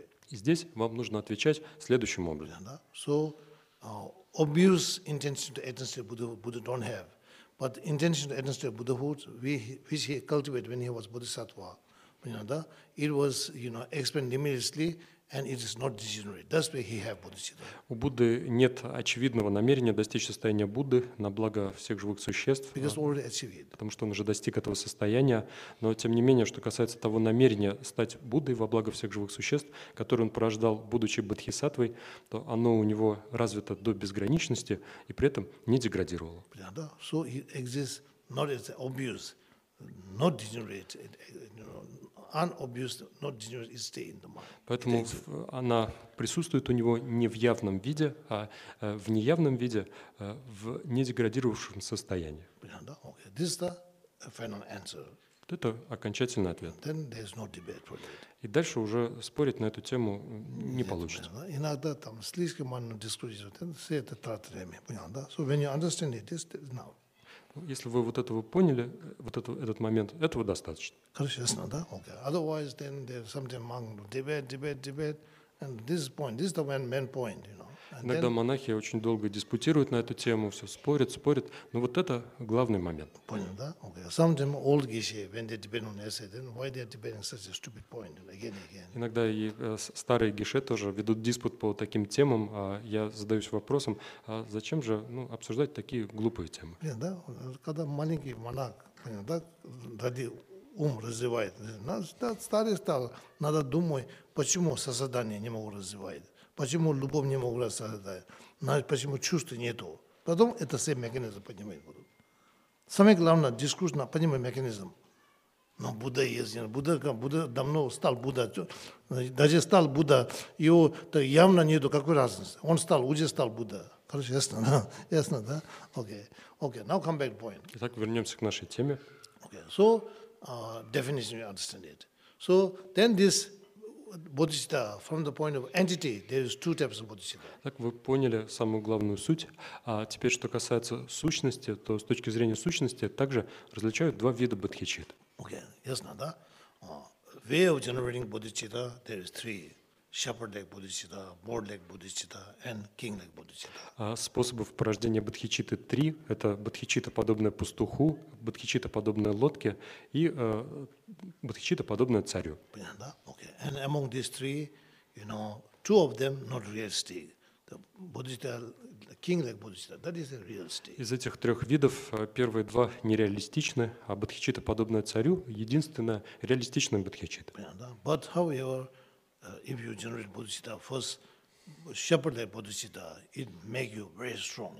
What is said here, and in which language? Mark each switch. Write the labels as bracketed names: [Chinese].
[Russian] И здесь вам нужно отвечать следующим образом. [English] So, obvious intention to attain state of Buddhahood Buddha don't have, but intention to attain state of Buddhahood, which he cultivated when he was bodhisattva, it was, you know, explained limitlessly. And it is not degenerate. That's why he have bodhicitta. [Russian] У Будды нет очевидного намерения достичь состояния Будды на благо всех живых существ. [English] Because already achieved. [Russian] Потому что он уже достиг этого состояния. Но тем не менее, что касается того намерения стать Буддой во благо всех живых существ, которое он порождал, будучи бодхисаттвой, то оно у него развито до безграничности и при этом не деградировало. [English] So it exists not as obvious, not degenerate, you know, unobvious, not degenerate, is stay in the mind. [Russian] Поэтому она присутствует у него не в явном виде, а в неявном виде, в недеградировавшем состоянии. [English] Okay. This is the final answer. [Russian] Это окончательный ответ. [English] Then there is no debate for that. [Russian] И дальше уже спорить на эту тему не получится. Понятно? Иногда там слишком много дискуссий, все это тратит время. Понятно, да? [English] So when you understand it, this is now. [Russian] Если вы вот этого поняли, вот этот момент, этого достаточно. Хорошо, ясно, да? Okay. [English] Otherwise, then there's something among debate, and this point, this is the main point, you know. [Russian] Иногда монахи очень долго диспутируют на эту тему, все спорят, но вот это главный момент. Понял, да? Okay. [English] Sometimes old geshe, when they debate on essay, then why they are debating such a stupid point again? [Russian] Иногда и старые геше тоже ведут диспут по таким темам, а я задаюсь вопросом, а зачем же обсуждать такие глупые темы? Да, когда маленький монах, понял, да, родил, ум развивает, старый стал, надо думать, почему сознание не могу развивать. Почему любовь не могла создать? Почему чувств нету? Потом это все механизмы поднимать будут. Самое главное, дискуссия, поднимать механизм. Но Будда есть. Будда давно стал Будда. Даже стал Будда, его явно нету. Какой разницы? Он стал, уже стал Будда. Короче, ясно, да? Ясно, да? Окей. Окей, [English] now come back point. [Russian] Итак, вернемся к нашей теме. [English] Окей, okay. So, definition you understand it. So, then this bodhicitta, from the point of entity, there is two types of bodhicitta. [Russian] Так, вы поняли самую главную суть. А теперь, что касается сущности, то с точки зрения сущности, также различают два вида бодхичит. [English] Окей, okay. [Russian] Ясно, да? [English] Way of generating bodhicitta, there is three. Shepherd-like bodhicitta, bird-like bodhicitta, and king-like bodhicitta. [Russian] Способов порождения бодхичитты три. Это бодхичитта, подобная пастуху, бодхичитта, подобная лодке, и бодхичитта, подобная царю. Понятно, да? Okay. [English] And among these three, you know, two of them not realistic. The bodhicitta, the king-like bodhicitta, that is a realistic. [Russian] Из этих трех видов первые два нереалистичны, а бодхичитта, подобная царю, единственная реалистичная бодхичитта. Понятно, да? [English] But however, if you generate bodhicitta first, shepherd-like bodhicitta, it make you very strong.